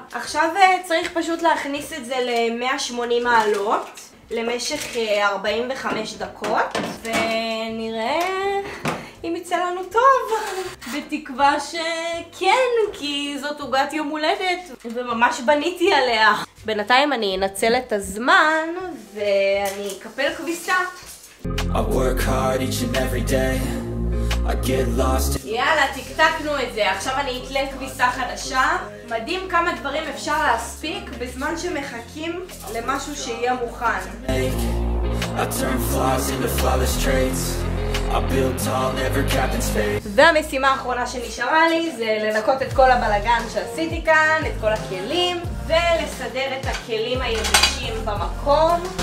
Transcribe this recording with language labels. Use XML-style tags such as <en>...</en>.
<he>עכשיו צריך פשוט להכניס את זה ל-180 מעלות, למשך 45 דקות, ונראה אם יצא לנו טוב. בתקווה שכן, כי זאת עוגת יום הולדת, וממש בניתי עליה. בינתיים אני אנצל את הזמן, ואני אקפל כביסה.</he> <en>I work hard each and every day. I get lost.</en> <he>יאללה, תקתקנו את זה. עכשיו אני אתלה כביסה חדשה. מדהים כמה דברים אפשר להספיק בזמן שמחכים למשהו שיהיה מוכן.</he> <en>I turn flaws into flawless traits. I build tall, never cap in space.</en> <he>והמשימה האחרונה שנשארה לי זה לנקות את כל הבלגן שעשיתי כאן, את כל הכלים, ולסדר את הכלים היבשים במקום.</he>